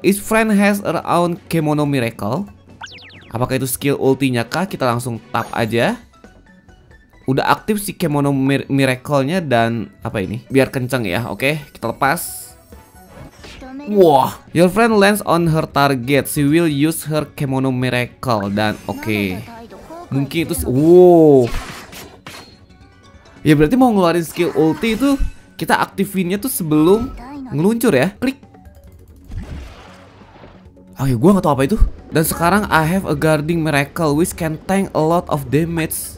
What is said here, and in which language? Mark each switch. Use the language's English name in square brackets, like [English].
[English] Each friend has her own Kemono Miracle. [Indonesian] Apakah itu skill ultinya kah? Kita langsung tap aja. Udah aktif si Kemono Miracle-nya dan apa ini? Biar kenceng ya. Oke, okay. Kita lepas. Wah, wow. [English] Your friend lands on her target. She will use her Kemono Miracle. [Indonesian] Dan oke, okay. Mungkin itu wow. Ya berarti mau ngeluarin skill ulti itu kita aktifinnya tuh sebelum ngeluncur ya. Klik. Oke, okay, gue gak tau apa itu. Dan sekarang [English] I have a guarding miracle which can tank a lot of damage.